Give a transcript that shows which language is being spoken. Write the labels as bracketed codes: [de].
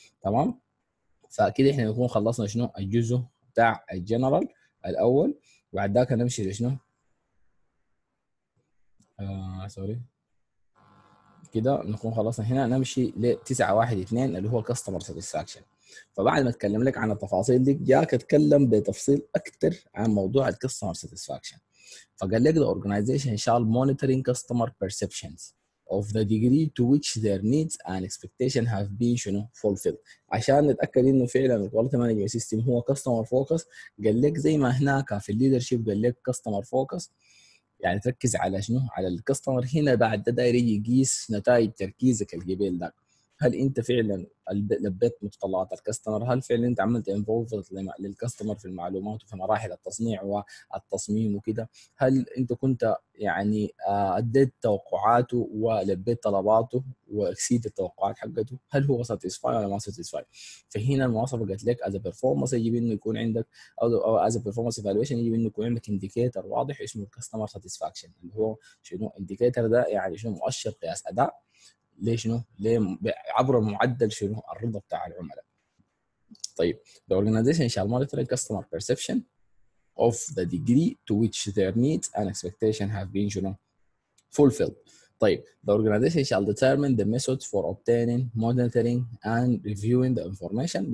[ar] تمام, فأكيد إحنا نكون خلصنا شنو الجزء بتاع الجنرال الأول, وبعد ذاك نمشي لشنو كده نكون خلصنا هنا, نمشي لتسعة واحد اثنين اللي هو كاستمر ساتيسفاكشن. فبعد ما أتكلم لك عن التفاصيل دي, جاك أتكلم بتفصيل أكتر عن موضوع الكاستمر ساتيسفاكشن. فقال لك [en] the organization shall monitoring customer perceptions of the degree to which their needs and expectation have been [ar] شنو [en] fulfilled. [ar] عشان نتأكد إنه فعلًا الكوالتي مانجمنت سيستم هو كاستمر فوكس, قال لك زي ما هناك في الليدرشيب قال لك كاستمر فوكس يعني تركز على شنو على الكاستمر, هنا بعد ده داير يقيس نتائج تركيزك الجبال ده, هل أنت فعلًا لبيت متطلبات الكاستمر, هل فعلًا أنت عملت انفولفد للكاستمر في المعلومات وفي مراحل التصنيع والتصميم وكده, هل أنت كنت يعني أديت توقعاته ولبيت طلباته وأكسيد التوقعات حقته, هل هو ساتيسفاي ولا ما ساتيسفاي. فهنا المواصفة قلت لك [en] as a performance [ar] يجب أنه يكون عندك أو [en] as a performance evaluation [ar] يجب أنه يكون عندك indicator واضح اسمه [en] customer satisfaction, [ar] اللي هو شنو indicator ده يعني شنو مؤشر قياس أداء ليش نو ليه عبر معدل شنو الرضا بتاع العملاء. طيب [en] the organization shall monitor customer perception of the degree to which their needs and expectation have been [ar] شنو [en] fulfilled. [ar] طيب [en] the organization shall determine the methods for obtaining monitoring and reviewing the information.